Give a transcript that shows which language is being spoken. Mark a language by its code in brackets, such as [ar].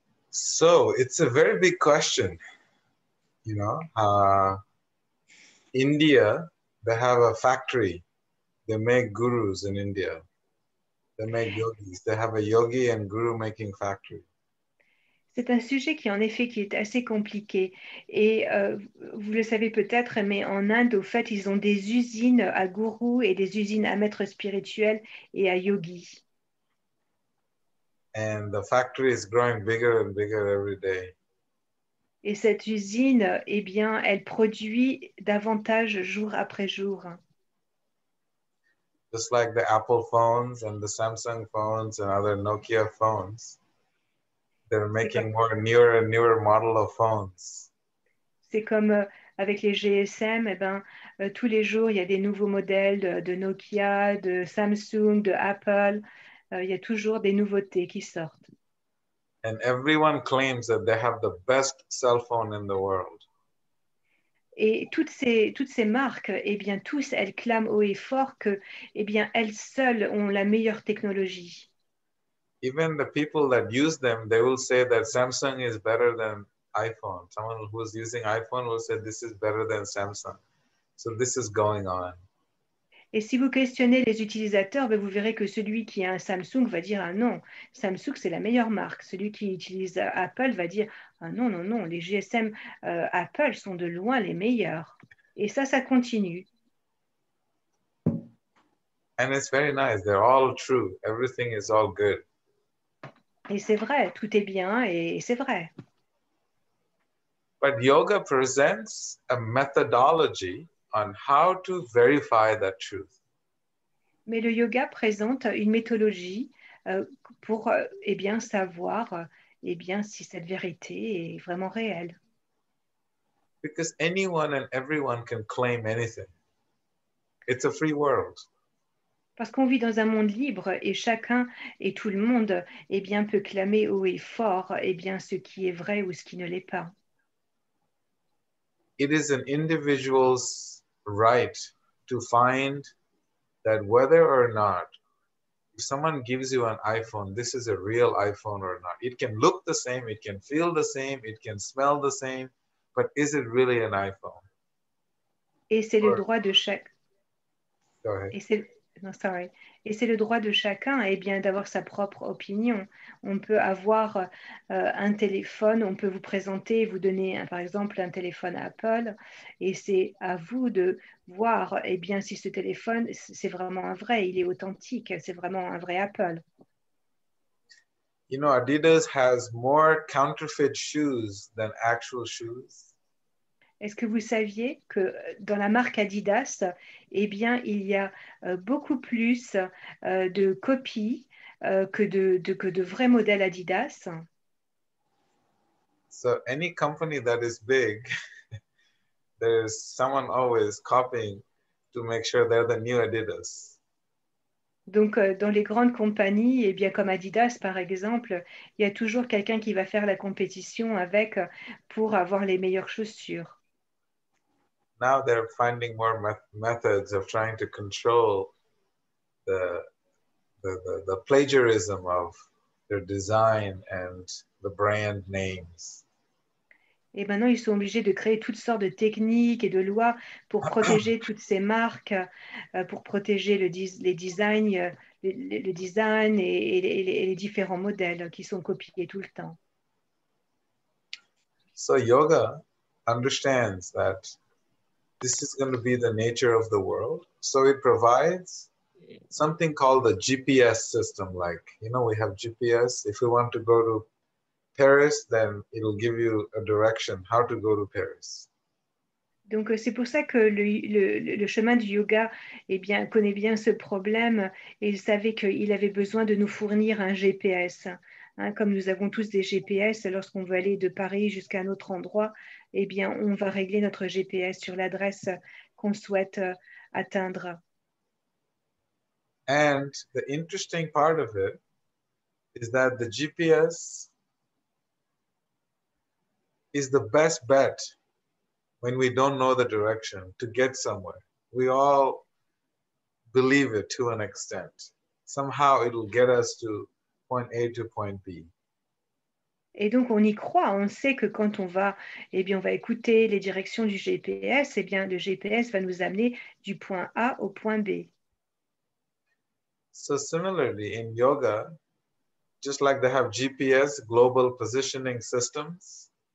[en] So it's a very big question. You know, India, they have a factory. They make gurus in India. They make yogis. They have a yogi and guru making factory. [fr] C'est un sujet qui, en effet, qui est assez compliqué. Et vous le savez peut-être, mais en Inde, au fait, ils ont des usines à gourous et des usines à maîtres spirituels et à yogis. [en] And the factory is growing bigger and bigger every day. [fr] Et cette usine, eh bien, elle produit davantage jour après jour. [en] Just like the Apple phones and the Samsung phones and other Nokia phones. They're making more newer and newer model of phones. [fr] C'est comme avec les GSM, tous les jours, il y a des nouveaux modèles de Nokia, de Samsung, de Apple. Il y a toujours des nouveautés qui sortent. [en] And everyone claims that they have the best cell phone in the world. [fr] Et toutes ces marques, tous, elles clament haut et fort que, elles seules ont la meilleure technologie. [en] Even the people that use them, they will say that Samsung is better than iPhone. Someone who is using iPhone will say this is better than Samsung. So this is going on. [fr] Et si vous questionnez les utilisateurs, ben vous verrez que celui qui a un Samsung va dire un non. Samsung, c'est la meilleure marque. Celui qui utilise Apple va dire un non, non, non. Les GSM Apple sont de loin les meilleurs. Et ça, ça continue. [en] And it's very nice. They're all true. Everything is all good. [fr] Et c'est vrai. Tout est bien et c'est vrai. [en] But yoga presents a methodology on how to verify that truth. [fr] Mais le yoga présente une méthodologie pour eh bien savoir eh bien si cette vérité est vraiment réelle. [en] Because anyone and everyone can claim anything. It's a free world. [fr] Parce qu'on vit dans un monde libre et chacun et tout le monde eh bien peut clamer haut et fort eh bien ce qui est vrai ou ce qui ne l'est pas. [en] It is an individual's right to find that whether or not if someone gives you an iPhone, this is a real iPhone or not. It can look the same, it can feel the same, it can smell the same, but is it really an iPhone? [fr] Et c'est le droit de chaque. [en] Go ahead. [fr] Et c'est le droit de chacun eh bien, d'avoir sa propre opinion. On peut avoir un téléphone, on peut vous présenter, vous donner par exemple un téléphone à Apple, et c'est à vous de voir eh bien, si ce téléphone, c'est vraiment un vrai, il est authentique, c'est vraiment un vrai Apple. [en] You know, Adidas has more counterfeit shoes than actual shoes. [fr] Est-ce que vous saviez que dans la marque Adidas, eh bien, il y a beaucoup plus de copies que de vrais modèles Adidas? [en] So any company that is big, there's someone always copying to make sure they're the new Adidas. [fr] Donc, dans les grandes compagnies, eh bien, comme Adidas, par exemple, il y a toujours quelqu'un qui va faire la compétition avec pour avoir les meilleures chaussures. [en] Now they're finding more methods of trying to control the plagiarism of their design and the brand names. [fr] Et maintenant ils sont obligés de créer toutes sortes de techniques et de lois pour protéger toutes ces marques, pour protéger le design et les différents modèles qui sont copiés tout le temps. [en] So yoga understands that this is going to be the nature of the world. So it provides something called the GPS system. Like, you know, we have GPS. If you want to go to Paris, then it'll give you a direction how to go to Paris. [fr] Donc, c'est pour ça que le chemin du yoga eh bien, connaît bien ce problème. Il savait qu'il avait besoin de nous fournir un GPS. Hein, comme nous avons tous des GPS, lorsqu'on veut aller de Paris jusqu'à un autre endroit, eh bien, on va régler notre GPS sur l'adresse qu'on souhaite atteindre. [en] And the interesting part of it is that the GPS is the best bet when we don't know the direction to get somewhere. We all believe it to an extent. Somehow it will get us to point A to point B. [fr] Et donc on y croit, on sait que quand on va, eh bien on va écouter les directions du GPS, eh bien le GPS va nous amener du point A au point B. [en] So similarly in yoga, just like they have GPS, global positioning systems.